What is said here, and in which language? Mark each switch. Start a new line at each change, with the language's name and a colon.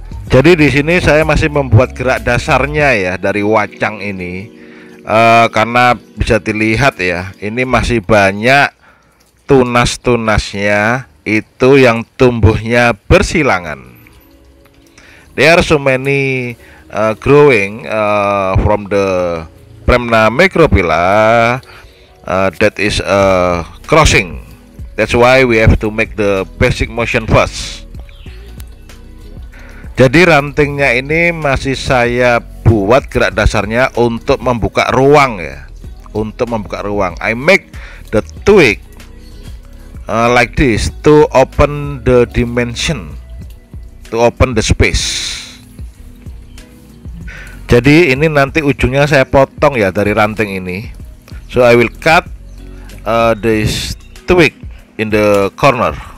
Indonesian: Jadi di sini saya masih membuat gerak dasarnya ya dari wacang ini, karena bisa dilihat ya, ini masih banyak tunas-tunasnya itu yang tumbuhnya bersilangan.
English: There are so many growing from the Premna micropila that is crossing. That's why we have to make the basic motion first.
Indonesian: Jadi rantingnya ini masih saya buat gerak dasarnya untuk membuka ruang ya, untuk membuka ruang.
English: I make the twig like this to open the dimension, to open the space.
Indonesian: Jadi ini nanti ujungnya saya potong ya dari ranting ini.
English: So I will cut this twig in the corner.